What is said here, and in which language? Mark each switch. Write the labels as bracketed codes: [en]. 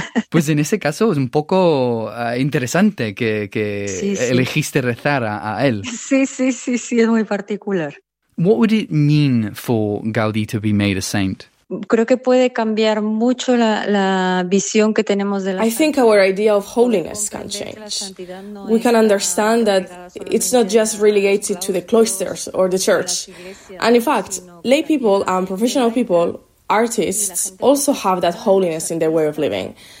[es] Pues en ese caso es un poco interesante que sí. Elegiste rezar a él. Sí, es muy particular. [en] What would it mean for Gaudí to be made a saint? [es] Creo que puede cambiar mucho la visión que tenemos de la. [en] I think our idea of holiness can change. We can understand that it's not just related to the cloisters or the church. And in fact, lay people and professional people, artists, also have that holiness in their way of living.